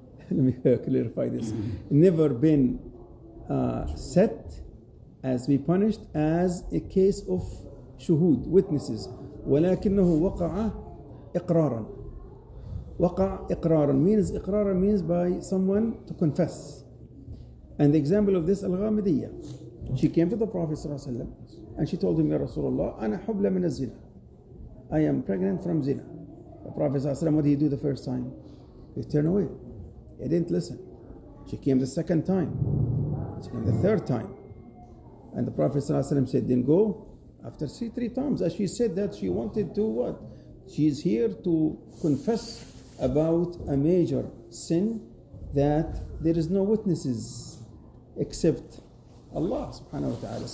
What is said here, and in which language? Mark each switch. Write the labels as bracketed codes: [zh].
[en] Let me clarify this. Never been set as be punished as a case of shuhud, witnesses. [ar] ولكنه وقع إقرارا. وقع إقرارا. [en] Means إقرارا means by someone to confess. And the example of this الغامدية. She came to the Prophet صلى الله عليه وسلم and she told him, [ar] يا رسول الله أنا حبلى من الزنا. [en] I am pregnant from zina. The Prophet صلى الله عليه وسلم, what did he do the first time? He turned away. He didn't listen. She came the second time. She came the third time. And the Prophet صلى الله عليه وسلم said, then go. After three times, as she said that she wanted to what? She's here to confess about a major sin that there is no witnesses except Allah subhanahu wa ta'ala.